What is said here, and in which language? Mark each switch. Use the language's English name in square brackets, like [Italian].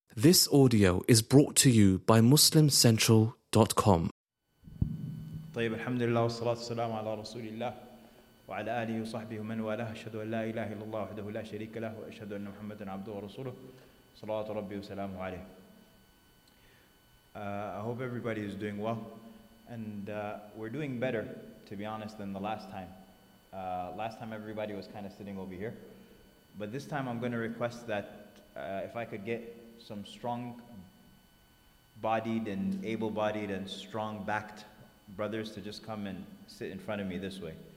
[English] This audio is brought to you by MuslimCentral.com. [Arabic] طيب الحمد لله والصلاة والسلام على رسول الله وعلى آله وصحبه ومن والاه. أشهد أن لا إله إلا الله وحده لا شريك له وأشهد أن محمدا عبده ورسوله صلاة ربي وسلامه عليه. [English] I hope everybody is doing well, and we're doing better, to be honest, than the last time. Last time everybody was kind of sitting over here, but this time I'm going to request that if I could get some strong-bodied and able-bodied and strong-backed brothers to just come and sit in front of me this way.